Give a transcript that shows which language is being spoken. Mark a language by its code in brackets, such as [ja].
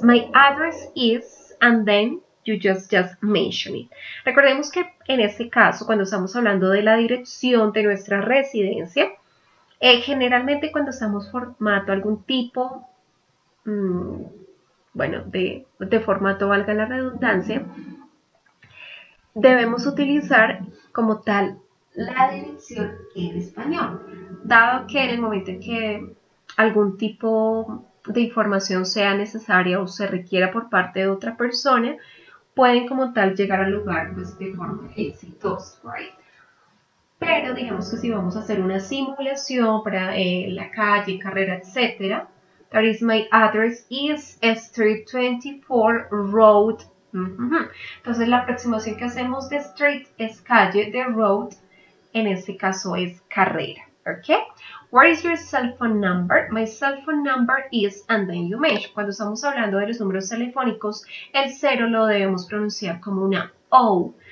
[en] My address is, and then you just mention it. [es] Recordemos que en este caso, cuando estamos hablando de la dirección de nuestra residencia, generalmente cuando estamos formando algún tipo, bueno, de formato, valga la redundancia, debemos utilizar como tal la dirección en español, dado que en el momento en que algún tipo de información sea necesaria o se requiera por parte de otra persona, pueden como tal llegar al lugar pues, de forma exitosa, right? Pero digamos que si vamos a hacer una simulación para la calle, carrera, etc., [en] that is my address is Street 24 Road. [es] Entonces la aproximación que hacemos de street es calle, de road, en este caso es carrera, ¿ok? [en] What is your cell phone number? My cell phone number is, and then you mention. [es] Cuando estamos hablando de los números telefónicos, el 0 lo debemos pronunciar como una O.